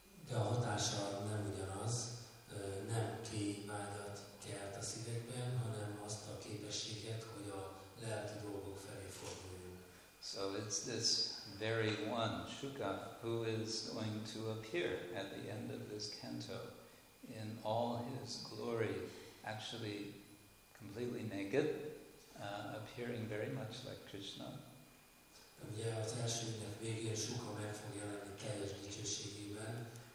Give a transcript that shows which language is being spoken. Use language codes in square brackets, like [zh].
[hu] De a hatása nem ugyanaz, nem kívánat kelt a szívekben, hanem azt a képességet, hogy a lelki dolgok felé forduljon. [en] So it's this very one, Shuka, who is going to appear at the end of this canto in all his glory, actually completely naked, appearing very much like Krishna. [hu] Ugye az elsőnek végén Shuka meg fog jelenni teljes dicsőségében,